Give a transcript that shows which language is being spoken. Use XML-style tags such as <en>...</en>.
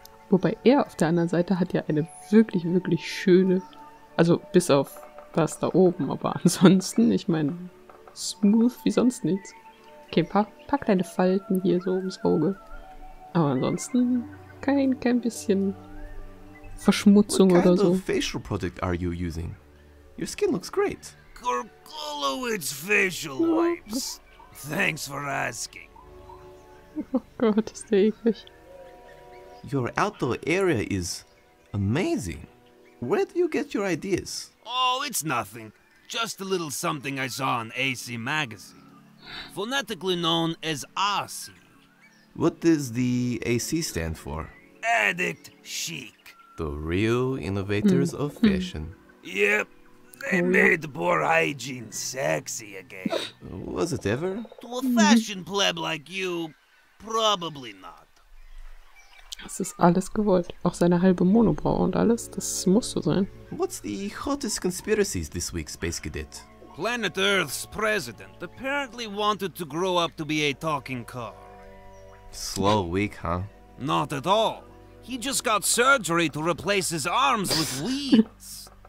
<de>Wobei er auf der anderen Seite hat ja eine wirklich, wirklich schöne, also bis auf das da oben, aber ansonsten, ich meine, smooth wie sonst nichts. Okay, ein paar kleine Falten hier so ums Auge. Aber ansonsten kein bisschen Verschmutzung oder so.</de> <en>What kind of facial product are you using? Your skin looks great. Gorgolowitz facial wipes. Thanks for asking.</en> <de>Oh Gott, ist der eklig.</de> <en>Your outdoor area is amazing. Where do you get your ideas? Oh, it's nothing. Just a little something I saw on AC Magazine. Phonetically known as AC. What does the AC stand for? Addict Chic. The real innovators of fashion. Yep. They made poor hygiene sexy again. Was it ever? To a fashion pleb like you, probably not.</en> <de>Das ist alles gewollt. Auch seine halbe Monobrau und alles, das muss so sein.</de> <en>What's the hottest conspiracies this week, Space Cadet? Planet Earth's president apparently wanted to grow up to be a talking car. Slow week, huh? Not at all. He just got surgery to replace his arms with wheels.</en>